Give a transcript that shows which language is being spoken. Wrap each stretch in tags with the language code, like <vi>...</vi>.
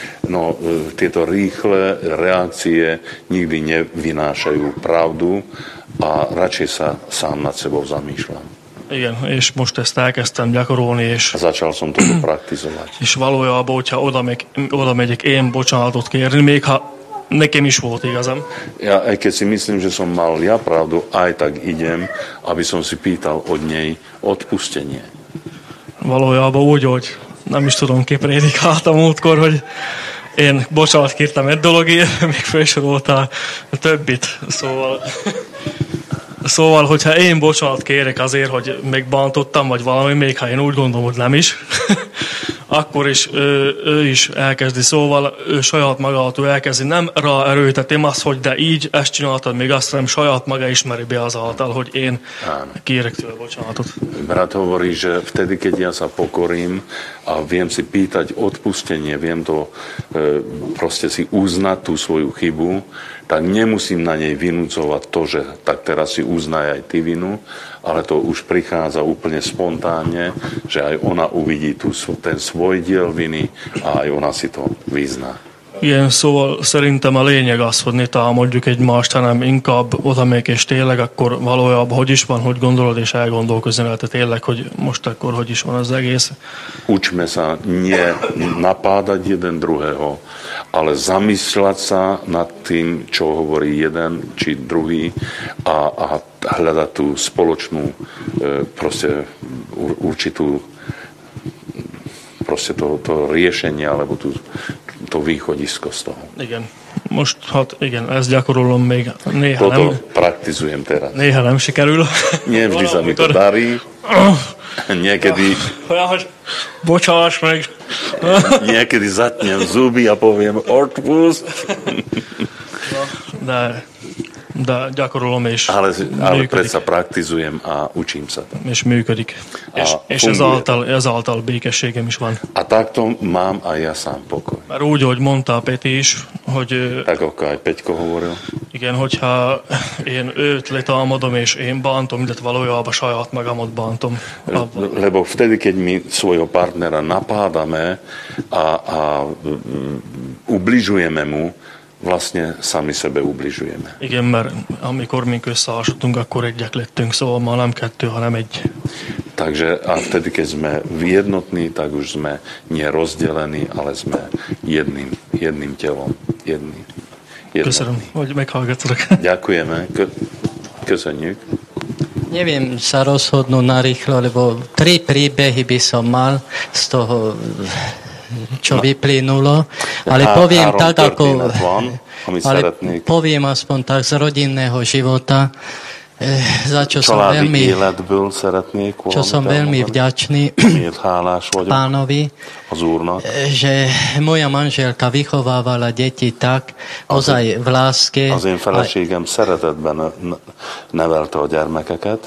<sk>No, tieto rýchle reakcie nikdy nevinášajú pravdu a radšej sa sám nad sebou zamýšľam.</sk> <hu>Igen, és most ezt elkezdtem gyakorolni, és...</hu> <sk>A začal som toto praktizovať.</sk> <hu>És valójában, hogyha oda megyek én bocsánatot kérni, még ha nekem is volt igazam.</hu> <sk>Ja, aj keď si myslím, že som mal ja pravdu, aj tak idem, aby som si pýtal od nej odpustenie.</sk> <hu>Valójában úgy, hogy nem is tudom, ki prédikált a múltkor, hogy én bocsánat kértem egy dologért, még felsoroltál a többit. Szóval, hogyha én bocsánat kérek azért, hogy még bántottam, vagy valami, még ha én úgy gondolom, hogy nem is, akkor is ő is elkezdi. Szóval ő saját maga alatt elkezdi. Nem rá erőltetém azt, hogy de így ezt csináltad, még azt nem saját maga ismeri be azáltal, hogy én kérek tőle bocsánatot.</hu> <sk>Brat hovorí, že vtedy, keď ja sa pokorím a viem si pýtať odpustenie, viem to proste si uznať tú svoju chybu, tak nemusím na nej vynúcovať to, že tak teraz si uznaj aj ty vinu, ale to už prichádza úplne spontánne, že aj ona uvidí tú, ten svoj diel viny a aj ona si to vyzná.</sk> <hu>Igen, szóval szerintem a lényeg az, hogy ne támadjuk egymást, hanem inkább oda még és tényleg, akkor valójában hogy is van, hogy gondolod, és elgondolkozni lehet tényleg, hogy most akkor hogy is van az egész.</hu> <sk>Učme sa nie napádať jeden druhého, ale zamysľať sa nad tým, čo hovorí jeden či druhý a hľadať tú spoločnú proste určitú proste to riešenie alebo tú to východisko z toho.</sk> <hu>Igen. Most, hát igen, ezt gyakorolom még néha</hu> <sk>toto</sk> <hu>nem.</hu> <sk>Praktizujem teraz.</sk> <hu>Néha nem sikerül.</hu> <sk>Nie vždy sa mi to darí. Niekedy...</sk> <hu>Bocsáss meg.</hu> <sk>Niekedy zatnem zuby a poviem odpust.</sk> <hu>De gyakorolom és</hu> <sk>ale predsa praktizujem a učím sa.</sk> <hu>És működik. És ezáltal békességem is van.</hu> <sk>A takto mám aj ja sám pokoj.</sk> <hu>Mert úgy, hogy mondta Peti is, hogy...</hu> <sk>Tak akkor aj Peťko hovoril.</sk> <hu>Igen, hogyha én őt letámadom, és én bántom, illetve valójában saját magamot bántom.</hu> <sk>Lebo vtedy, keď mi svojho partnera napádame a ubližujeme mu, vlastne sami sebe ubližujeme.</sk> <hu>Igen, mert amikor mink összehasodtunk, akkor egyek lettünk, szóval már nem kettő, hanem egy.</hu> <sk>Takže a vtedy, keď sme jednotní, tak už sme nie rozdelení, ale sme jedným telom.</sk> <hu>Köszönöm, hogy meghallgatok.</hu> <sk>Ďakujeme.</sk> <hu>Köszönjük.</hu> <sk>Neviem sa rozhodnúť narýchlo, lebo tri príbehy by som mal z toho... čo vyplynulo, ale poviem tak, ako ale poviem aspoň tak z rodinného života, za čo som veľmi čo som veľmi vďačný pánovi, že moja manželka vychovávala deti tak, ozaj v láske.</sk> <hu>Az én feleségem szeretetben nevelte a gyermekeket.</hu>